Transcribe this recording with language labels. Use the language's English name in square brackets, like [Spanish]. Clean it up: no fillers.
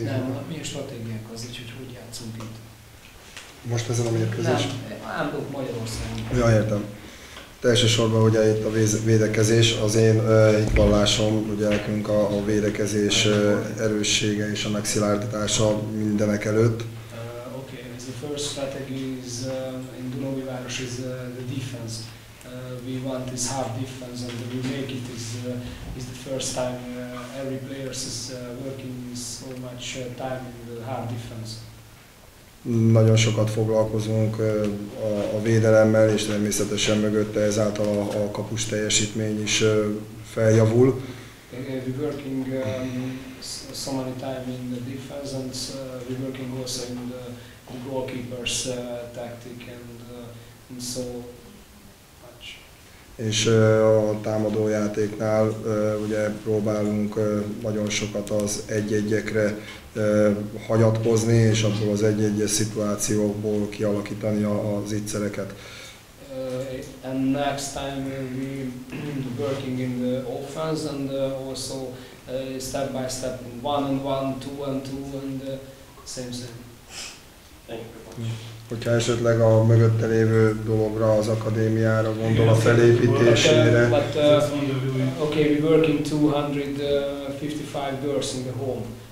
[Hungarian] Nem, mi a stratégiánk az így, hogy hogy játszunk itt? Most ezen a mérkőzés? Nem, állok Magyarországon. Ja, értem. Elsősorban ugye itt a védekezés, az én hitvallásom, ugye nekünk a védekezés erőssége és a megszilárdítása mindenek előtt. Oké, okay. [English] The first strategy is in Dunaujváros is the defense. We want this half defense, and we make it. Is the first time every player is working so much time in the half defense. [Hungarian] Nagyon sokat foglalkozunk a védelemmel, és természetesen mögötte ezáltal a kapus teljesítmény is feljavul. [English] We working so many time in the defense, and we working also in the goalkeeper's tactic, and so. [Hungarian] És a támadó játéknál ugye próbálunk nagyon sokat az egy-egyekre hagyatkozni, és abból az egy-egyes szituációkból kialakítani az ígyszereket. [English] And next time we working in the offense and also step by step, one and one, two and two and same thing. [Hungarian] Hogyha esetleg a mögötte lévő dologra, az akadémiára gondol, a felépítésére. [English] Okay, we work in 255 girls in the home.